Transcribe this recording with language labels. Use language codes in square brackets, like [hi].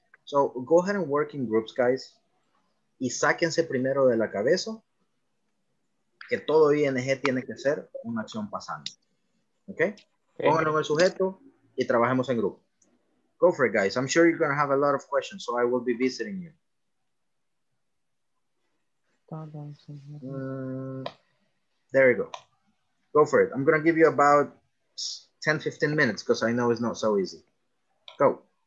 [en] So, go ahead and work in groups, guys. [es] Y sáquense primero de la cabeza que todo ING tiene que ser una acción pasante. Okay? Pónganlo en el sujeto y trabajemos en grupo. [en] Go for it, guys. I'm sure you're going to have a lot of questions, so I will be visiting you. There you go. Go for it. I'm going to give you about 10, 15 minutes because I know it's not so easy. Go.